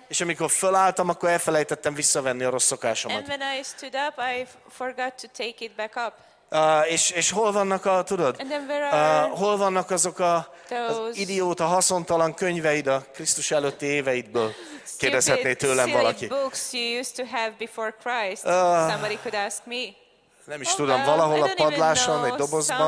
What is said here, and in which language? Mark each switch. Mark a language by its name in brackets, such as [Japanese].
[Hungarian] és amikor fölálltam, akkor elfelejtettem visszavenni a rossz szokásomat. [English] And when I stood up, I forgot to take it back up. [Hungarian] És hol vannak a, tudod? Hol vannak azok a idióta, haszontalan könyveid a Krisztus előtti éveidből? Kérdezhetné tőlem valaki. [English] Somebody could ask me. [Hungarian] Nem is tudom, valahol a padláson, egy dobozban.